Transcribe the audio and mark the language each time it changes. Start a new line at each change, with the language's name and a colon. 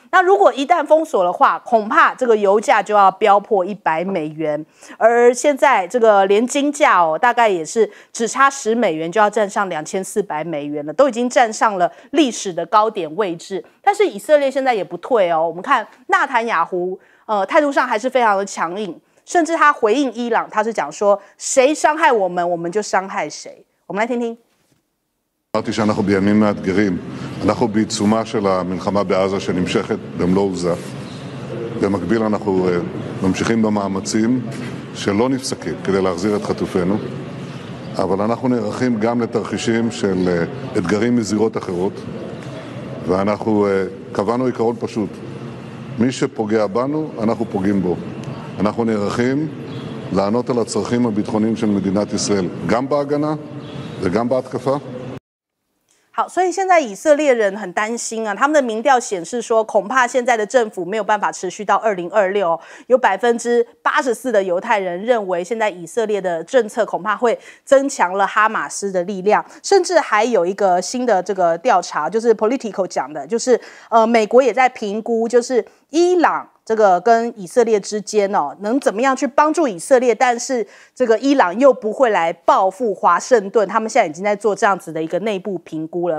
Chinese: 那如果一旦封锁的话，恐怕这个油价就要飙破100美元，而现在这个连金价哦，大概也是只差10美元就要站上2400美元了，都已经站上了历史的高点位置。但是以色列现在也不退哦，我们看纳坦雅胡态度上还是非常的强硬，甚至他回应伊朗，他是讲说谁伤害我们我们就伤害谁。我们来听听。
Hebrew: אמרתי שאנחנו בימים מאתגרים, אנחנו בעיצומה של המלחמה בעזה שנמשכת במלוא עוזה, במקביל אנחנו ממשיכים במאמצים שלא נפסקים כדי להחזיר את חטופינו, אבל אנחנו נערכים גם לתרחישים של אתגרים מזירות אחרות. ואנחנו קבענו עיקרון פשוט, מי שפוגע בנו אנחנו פוגעים בו, אנחנו נערכים לענות על הצרכים הביטחוניים של מדינת ישראל גם בהגנה וגם בהתקפה。
Chinese: 好，所以现在以色列人很担心啊，他们的民调显示说，恐怕现在的政府没有办法持续到2026。有84%的犹太人认为，现在以色列的政策恐怕会增强了哈马斯的力量。甚至还有一个新的这个调查，就是 Politico 讲的，就是美国也在评估，就是伊朗这个跟以色列之间哦，能怎么样去帮助以色列，但是这个伊朗又不会来报复华盛顿，他们现在已经在做这样子的一个内部评估了。